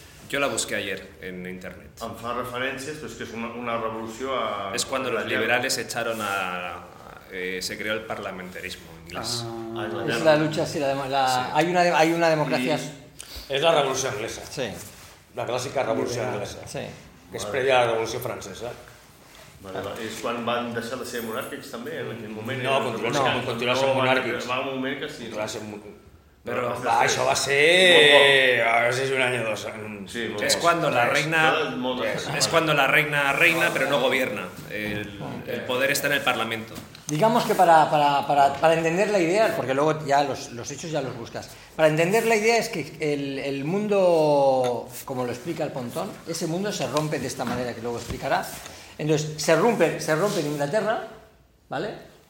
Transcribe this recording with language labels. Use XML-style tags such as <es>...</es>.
<es>Yo la busqué ayer en internet.</es> <ca>Em fa referències, però és que és una revolució a... És quan els liberals</ca> <es>echaron a... se creó el parlamentarismo en inglés. Ah, és la lucha, sí, sí. Hay una democracia...</es> <ca>És la revolució anglesa. Sí. La clàssica revolució anglesa. Sí. Que és prèvia a la revolució francesa. Vale, és quan van deixar de ser monàrquics, també, en aquell moment? No, continuen sent monàrquics. Va un moment que sí. Va ser... Però va, això va ser... És un any o dos. Sí, és quan la reina... És quan la reina, però no governa. El poder està en el Parlament.</ca> <es>Digamos que para entender la idea, porque luego ya los hechos ya los buscas, para entender la idea es que el mundo, como lo explica el Pontón, ese mundo se rompe de esta manera que luego explicará. Entonces, se rompe en Inglaterra, ¿vale?</es>